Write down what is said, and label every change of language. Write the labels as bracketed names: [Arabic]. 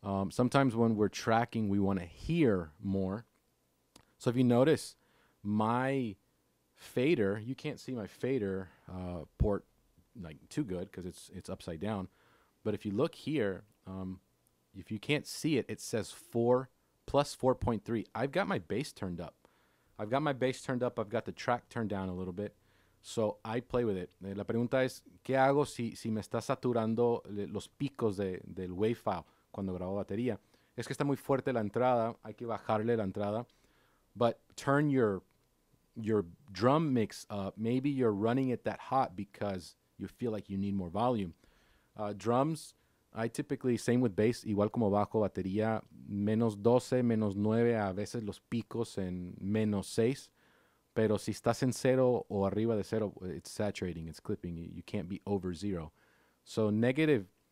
[English] Sometimes when we're tracking, we want to hear more. So if you notice, my fader, you can't see my fader port like too good because it's upside down. But if you look here, if you can't see it, it says 4 plus 4.3. I've got my bass turned up. I've got the track turned down a little bit. So I play with it. [Spanish] La pregunta es, ¿qué hago si me está saturando los picos del WAV file? Cuando grabo batería, es que está muy fuerte la entrada, hay que bajarle la entrada. [English] But turn your drum mix up. Maybe you're running it that hot because you feel like you need more volume. Drums, I typically, same with bass, [Spanish] igual como bajo batería, menos 12, menos 9, a veces los picos en menos 6. Pero si estás en cero o arriba de cero, [English] it's saturating, it's clipping, you can't be over zero. So negative.